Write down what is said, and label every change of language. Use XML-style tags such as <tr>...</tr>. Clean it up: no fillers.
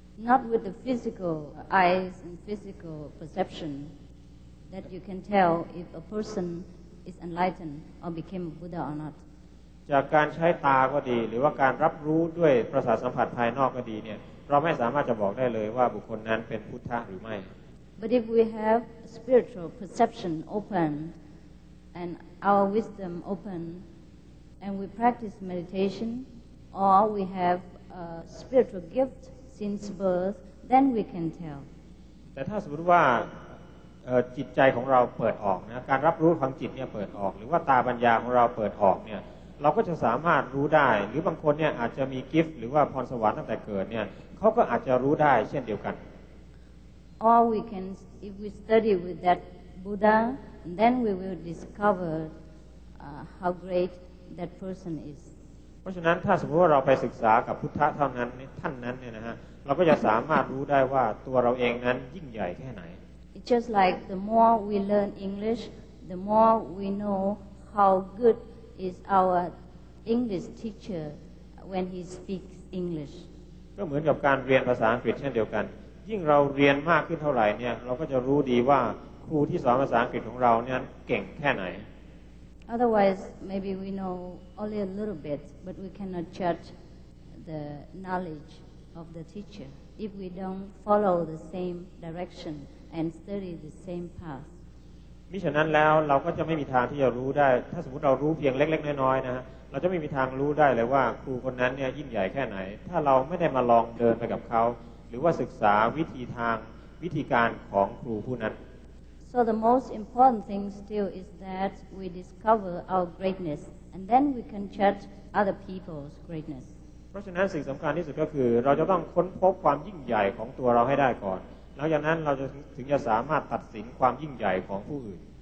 <en>Not with the physical eyes and physical perception that you can tell if a person is enlightened or became a Buddha or not</en> <th>จากการใช้ตาก็ดีหรือว่าการรับรู้ด้วยประสาทสัมผัสภายนอกก็ดีเนี่ยเราไม่สามารถจะบอกได้เลยว่าบุคคลนั้นเป็นพุทธะหรือไม่</th> <en>But if we have spiritual perception openAnd our wisdom open, and we practice meditation, or we have a spiritual gift since birth, then we can tell.</en> <th>แต่ถ้าสมมติว่าจิตใจของเราเปิดออกนะการรับรู้ทางจิตเนี่ยเปิดออกหรือว่าตาปัญญาของเราเปิดออกเนี่ยเราก็จะสามารถรู้ได้หรือบางคนเนี่ยอาจจะมีกิฟต์หรือว่าพรสวรรค์ตั้งแต่เกิดเนี่ยเขาก็อาจจะรู้ได้เช่นเดียวกัน</th> <en>Or we can, if we study with that Buddha. And then we will discover how great that person is.</en> <th>เพราะฉะนั้นถ้าสมมติว่าเราไปศึกษากับพุทธะเท่านั้นท่านนั้นเนี่ยนะฮะเราก็จะสามารถรู้ได้ว่าตัวเราเองนั้นยิ่งใหญ่แค่ไหน</th> <en>It's just like the more we learn English, the more we know how good is our English teacher when he speaks English.</en> <th>ก็เหมือนกับการเรียนภาษาอังกฤษเช่นเดียวกันยิ่งเราเรียนมากขึ้นเท่าไหร่เนี่ยเราก็จะรู้ดีว่าครูที่สอนภาษาอังกฤษของเราเนี่ยเก่งแค่ไหน</th> <en>Otherwise, maybe we know only a little bit, but we cannot judge the knowledge of the teacher if we don't follow the same direction and study the same path.</en> <th>มิฉะนั้นแล้วเราก็จะไม่มีทางที่จะรู้ได้ถ้าสมมติเรารู้เพียงเล็กๆน้อยๆนะฮะเราจะไม่มีทางรู้ได้เลยว่าครูคนนั้นเนี่ยยิ่งใหญ่แค่ไหนถ้าเราไม่ได้มาลองเดินไปกับเขาหรือว่าศึกษาวิธีทางวิธีการของครูผู้นั้น</th> <en>So the most important thing still is that we discover our greatness and then we can judge other people's greatness</en> <th>เพราะฉะนั้นสิ่งสำคัญที่สุดก็คือเราจะต้องค้นพบความยิ่งใหญ่ของตัวเราให้ได้ก่อนหลังจากนั้นเราจะถึงจะสามารถตัดสินความยิ่งใหญ่ของผู้อื่น</th>